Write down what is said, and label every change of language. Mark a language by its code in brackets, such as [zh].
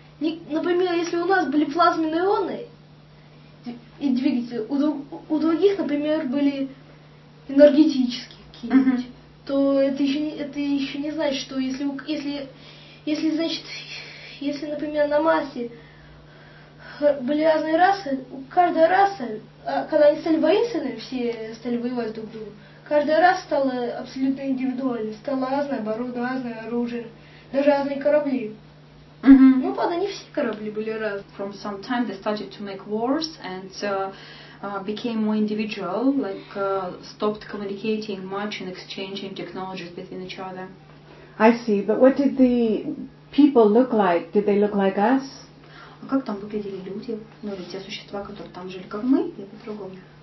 [ru] Например, если у нас были плазменные ионы и двигатели, у других, например, были энергетические какие-нибудь, то это еще не значит, что если, например, на Марсе были разные расы, каждая раса, когда они стали воинственными, все стали воевать друг с другом, каждая раса стала абсолютно индивидуальной, стала разное оборудование, разное оружие, даже разные корабли. Правда, не все корабли были разные. [en] From some time they started to make wars and became more individual, stopped communicating much and exchanging technologies between each other. I see, but what did the people look like? Did they look like us? [ru] А как там выглядели люди? Или те существа, которые там жили, как мы, или по-другому?